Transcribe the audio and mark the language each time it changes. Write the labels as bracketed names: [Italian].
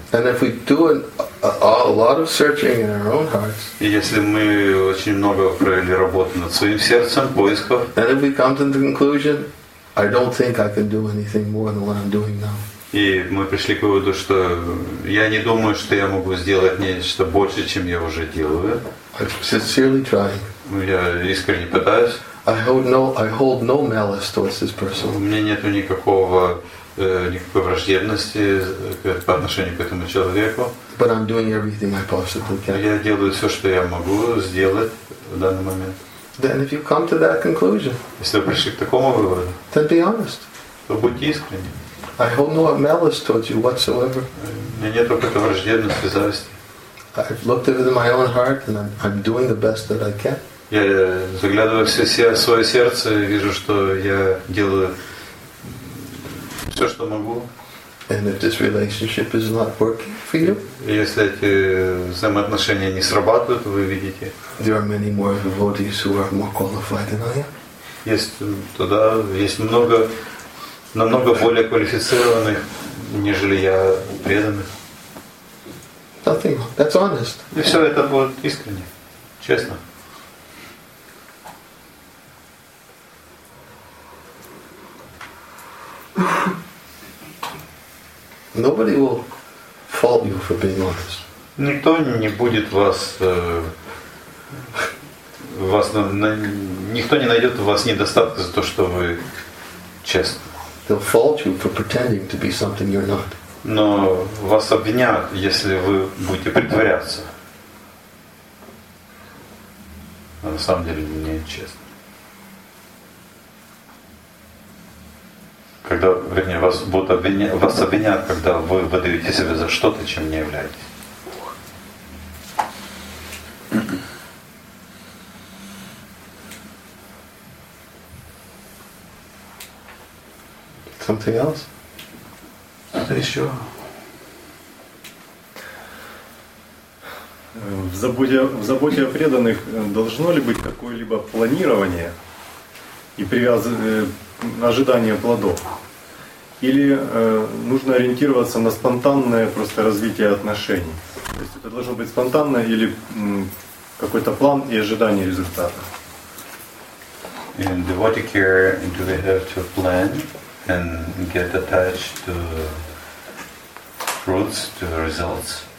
[English] And if we do a lot of searching in our own hearts. [Russian] И если мы очень много провели работы над своим сердцем, поисков. [English] And if we come to the conclusion, I don't think I can do anything more than what I'm doing now. [Russian] И мы пришли к выводу, что я не думаю, что я могу сделать нечто больше, чем я уже делаю. [English] I'm sincerely trying. [Russian] Я искренне пытаюсь. [English] I hold no malice towards this person. [Russian] У меня нету никакой враждебности по отношению к этому человеку. [English] But I'm doing everything I possibly can. [Russian] Я делаю все, что я могу сделать в данный момент. [English] Then if you come to that conclusion, [Russian] если вы пришли к такому выводу, [English] then be honest. [Russian] То будьте искренни. [English] I hold no malice towards you whatsoever. [Russian] У меня нет какой-то враждебности, зависти. [English] I've looked at it in my own heart, and I'm doing the best that I can. [Russian] Я заглядываю в свое сердце и вижу, что я делаю все, что могу. [English] And if this relationship is not working for you, [Russian] если эти взаимоотношения не срабатывают, вы видите. [English] There are many more devotees who are more qualified than I am. [Russian] Есть много, намного более квалифицированных, нежели я, преданных. [English] Nothing wrong. That's honest. [Russian] И все это будет искренне, честно. [English] Nobody will fault you for being honest. [Russian] Никто не будет вас вас на никто не найдет у вас недостатка за то, что вы честны. [English] They'll fault you for pretending to be something you're not. [Russian] Но вас обвинят, если вы будете притворяться. А на самом деле не честно. Как когда, вернее, вас будут обвинять, вас обвинят, когда вы выдаете себя за что-то, чем не являетесь. [English] Something else? [Russian] Что-то еще. В заботе о преданных должно ли быть какое-либо планирование и ожидание плодов? Или нужно ориентироваться на спонтанное просто развитие отношений? То есть это должно быть спонтанно или какой-то план и ожидание результата? [English] In devotee care, do they have to plan and get attached to fruits, to results?